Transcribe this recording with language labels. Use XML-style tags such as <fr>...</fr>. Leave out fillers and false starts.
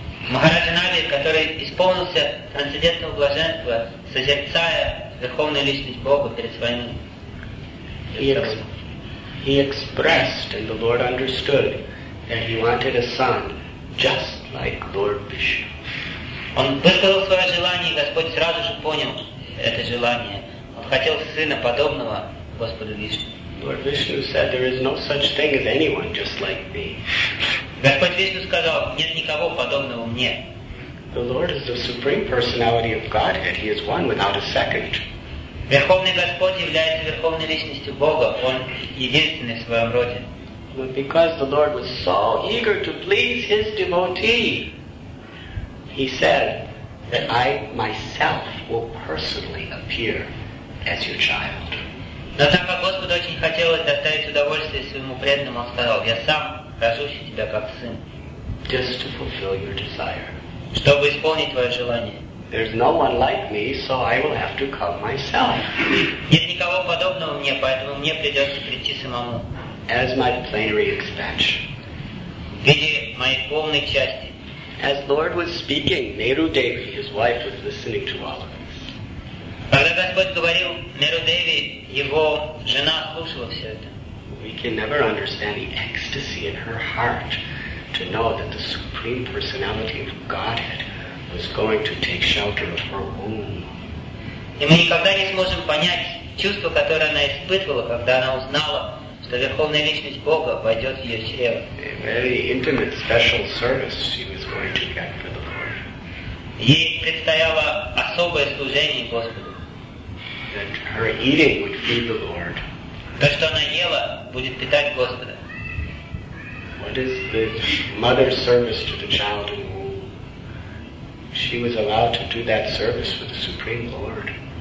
<ru>Maharaj Navi, который исполнился трансцендентного блаженства, созерцая Верховную Личность Бога перед своим</ru> <en>He expressed, and the Lord understood, that he wanted a son just like Lord Vishnu.</en> <ru>Он высказал свое желание, и Господь сразу же понял это желание. Хотел сына подобного Господу Вишну.</ru> <en>Lord Vishnu said, there is no such thing as anyone just like me.</en> <ru>Господь Вишну сказал, нет никого подобного мне.</ru> <en>The Lord is the supreme personality of Godhead. He is one without a second.</en> <ru>Верховный Господь является верховной личностью Бога. Он единственный в своем роде.</ru> <en>But because the Lord was so eager to please his devotee, he said that I myself will personally appear. As your child.</en> <ru>Но так как Господь очень хотел доставить удовольствие своему преданному, он сказал, я сам рожусь тебя как сын.</ru> <en>Just to fulfill your desire.</en> <ru>Чтобы исполнить твое желание.</ru> <en>There's no one like me, so I will have to come myself.</en> <ru>Нет никого подобного мне, поэтому мне придется прийти самому.</ru> <en>As my plenary expansion.</en> <ru>В виде моей полной части.</ru> <en>As Lord was speaking, Nehru Devi, his wife, was listening to all of it.</en> <ru>Когда Господь говорил Неру Деви, его жена слушала все это.</ru> <en>We can never understand the ecstasy in her heart to know that the Supreme Personality of Godhead was going to take shelter of her womb.</en> <ru>И мы никогда не сможем понять чувство, которое она испытывала, когда она узнала, что Верховная Личность Бога войдет в ее чрево.</ru> <en>A very intimate special service she was going to get for the Lord.</en> <ru>Ей предстояло особое служение Господу.</ru> <en>That her eating would feed the Lord.</en> <ru>То, что она ела, будет питать Господа.</ru> <en>What is the mother's service to the child in the womb? She was allowed to do that service for the Supreme Lord.</en>